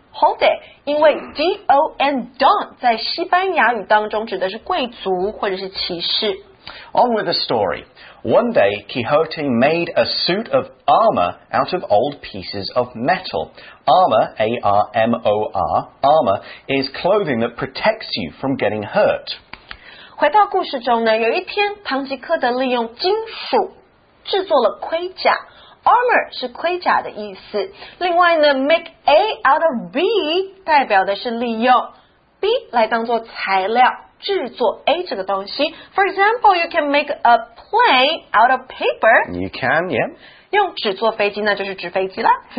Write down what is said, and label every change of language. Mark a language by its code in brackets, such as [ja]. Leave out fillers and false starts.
[en] Hold it, [zh] 因为 D-O-N, Don, 在西班牙语当中指的是贵族或者是骑士。 [en] On with the story. One day, Quixote made a suit of armor out of old pieces of metal. Armor, A-R-M-O-R, armor, is clothing that protects you from getting hurt. [zh] 回到故事中呢，有一天，唐吉诃德利用金属制作了盔甲。 Armor 是盔甲的意思。另外呢 ， [en] make A out of B [zh] 代表的是利用 B 来当做材料制作 A 这个东西。 [en] For example, you can make a plane out of paper. You can, yeah. [zh] 用纸做飞机，那就是纸飞机了。